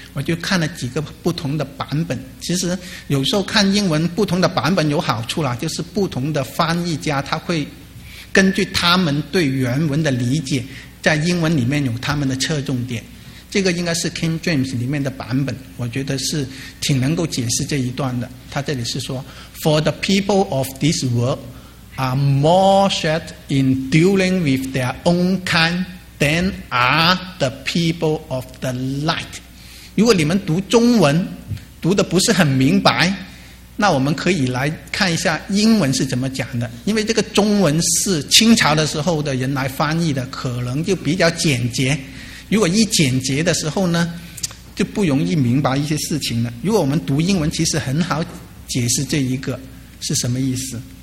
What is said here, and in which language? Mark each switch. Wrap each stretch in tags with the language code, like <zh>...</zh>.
<zh>我就看了几个不同的版本。其实有时候看英文不同的版本有好处啦，就是不同的翻译家他会根据他们对原文的理解，在英文里面有他们的侧重点。这个应该是 King James 里面的版本，我觉得是挺能够解释这一段的。他这里是说</zh> <en>For the people of this world are more set in dealing with their own kindThen are the people of the light.</en> <zh>如果你们读中文读得不是很明白，那我们可以来看一下英文是怎么讲的。因为这个中文是清朝的时候的人来翻译的，可能就比较简洁。如果一简洁的时候呢，就不容易明白一些事情了。如果我们读英文其实很好解释这一个是什么意思。</zh>